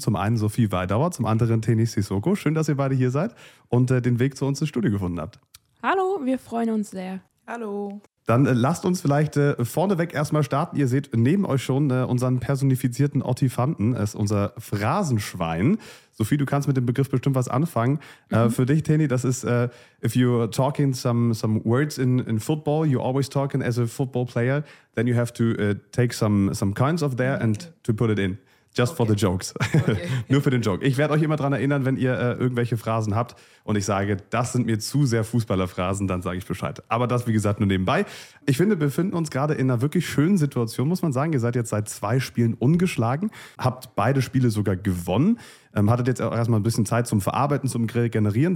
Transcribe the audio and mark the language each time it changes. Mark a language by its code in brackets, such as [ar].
[de] Zum einen Sophie Weidauer, zum anderen Teni Sissoko. Schön, dass ihr beide hier seid und den Weg zu uns ins Studio gefunden habt. Hallo, wir freuen uns sehr. Hallo. Dann lasst uns vielleicht vorneweg erstmal starten. Ihr seht neben euch schon unseren personifizierten Ottifanten. Es ist unser Phrasenschwein. Sophie, du kannst mit dem Begriff bestimmt was anfangen. Mhm. Für dich, Teni, das ist, [en] if you're talking some words in football, you always talking as a football player, then you have to take some kinds of there and to put it in. Just for the jokes. Okay. [de] Nur für den Joke. Ich werde euch immer daran erinnern, wenn ihr irgendwelche Phrasen habt und ich sage, das sind mir zu sehr Fußballerphrasen, dann sage ich Bescheid. Aber das, wie gesagt, nur nebenbei. Ich finde, wir befinden uns gerade in einer wirklich schönen Situation, muss man sagen. Ihr seid jetzt seit zwei Spielen ungeschlagen, habt beide Spiele sogar gewonnen, hattet jetzt auch erstmal ein bisschen Zeit zum Verarbeiten, zum Regenerieren.